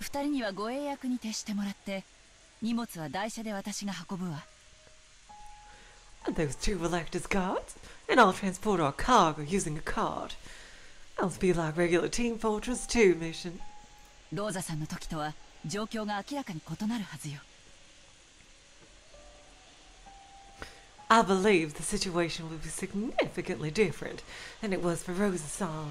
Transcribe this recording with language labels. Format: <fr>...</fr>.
<ja>2人には護衛役に徹してもらって荷物は台車で私が運ぶわ</ja> <en>And those 2 will act as guards, and I'll transport our cargo using a card. I'll be like regular Team Fortress 2 mission.</en> <ja>ローザさんの時とは状況が明らかに異なるはずよ</ja> <en>I believe the situation will be significantly different than it was for Rosa-san.</en>